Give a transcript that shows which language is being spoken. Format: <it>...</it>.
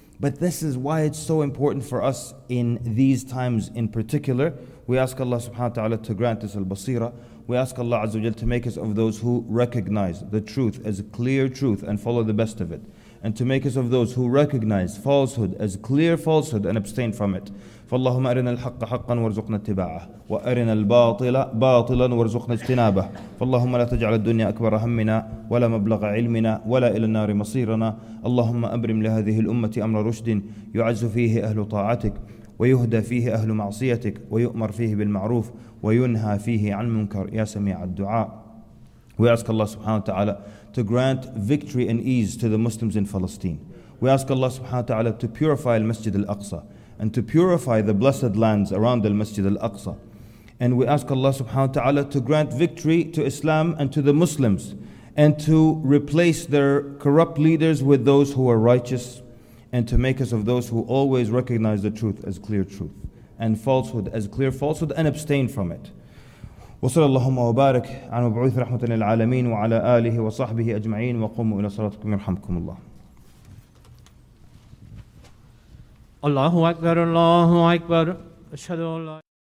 <en>But this is why it's so important for us in these times in particular. We ask Allah subhanahu wa ta'ala to grant us al-basira. We ask Allah Azza wa Jalla to make us of those who recognize the truth as a clear truth and follow the best of it. And to make us of those who recognize falsehood as clear falsehood and abstain from it.</en> <ar>فاللهم أرنا الحق حقا وارزقنا اتباعه وأرنا الباطل باطلا وارزقنا اجتنابه فاللهم لا تجعل الدنيا أكبر همنا ولا مبلغ علمنا ولا إلى النار مصيرنا اللهم أبرم لهذه الأمة أمر رشد يعز فيه أهل طاعتك ويهدى فيه أهل معصيتك ويؤمر فيه بالمعروف وينهى فيه عن منكر يا سميع الدعاء.</ar> <en>We ask Allah subhanahu wa ta'ala to grant victory and ease to the Muslims in Palestine. We ask Allah subhanahu wa ta'ala to purify al-Masjid al-Aqsa and to purify the blessed lands around al-Masjid al-Aqsa. And we ask Allah subhanahu wa ta'ala to grant victory to Islam and to the Muslims and to replace their corrupt leaders with those who are righteous and to make us of those who always recognize the truth as clear truth and falsehood as clear falsehood and abstain from it.</en> <ar>وصلى اللهم وبارك على مبعوث رحمة للعالمين وعلى آله وصحبه أجمعين وقوموا إلى صلاتكم يرحمكم الله. الله أكبر الله أكبر أشهد أن لا إله إلا الله.</ar>